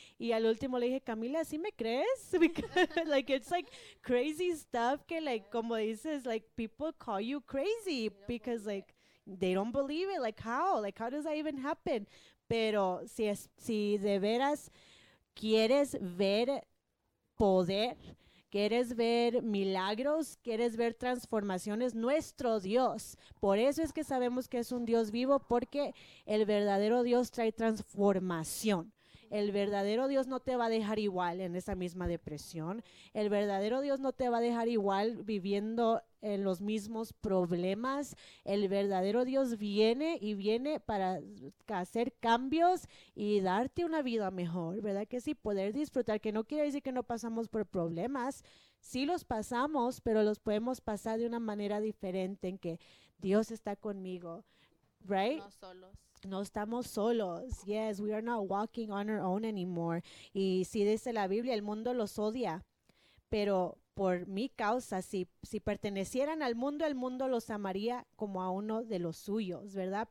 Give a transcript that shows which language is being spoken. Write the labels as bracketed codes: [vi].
[es] Y al último le dije, Camila, ¿sí me crees? [en] Because, like, it's like crazy stuff que, like, [es] como dices, [en] like, people call you crazy because, like, they don't believe it. Like, how? Like, how does that even happen? [es] Pero si de veras quieres ver poder, quieres ver milagros, quieres ver transformaciones, nuestro Dios. Por eso es que sabemos que es un Dios vivo, porque el verdadero Dios trae transformación. El verdadero Dios no te va a dejar igual en esa misma depresión. El verdadero Dios no te va a dejar igual viviendo en los mismos problemas. El verdadero Dios viene y viene para hacer cambios y darte una vida mejor, ¿verdad? Que sí, poder disfrutar, que no quiere decir que no pasamos por problemas. Sí los pasamos, pero los podemos pasar de una manera diferente, en que Dios está conmigo, ¿right? No solos. No estamos solos. [en] Yes, we are not walking on our own anymore. [es] Y sí dice la Biblia, el mundo los odia, pero por mi causa, si pertenecieran al mundo, el mundo los amaría como a uno de los suyos, ¿verdad?